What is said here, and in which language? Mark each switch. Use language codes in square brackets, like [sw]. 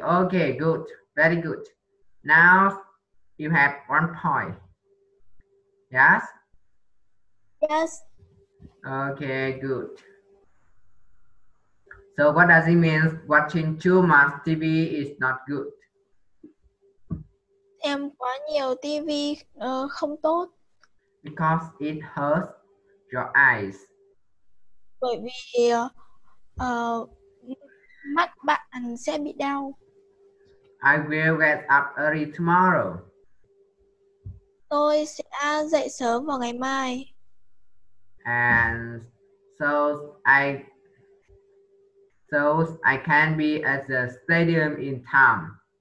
[en] Okay, good. Very good. Now you have 1 point. Yes? Yes. Okay, good. So what does it mean watching too much TV is not good? [vi] Em quá nhiều TV không tốt. [en] Because it hurts your eyes. [vi] Bởi vì mắt bạn sẽ bị đau. [en] I will get up early tomorrow. [vi] Tôi sẽ dậy sớm vào ngày mai. [en] And so I can be at the stadium in time.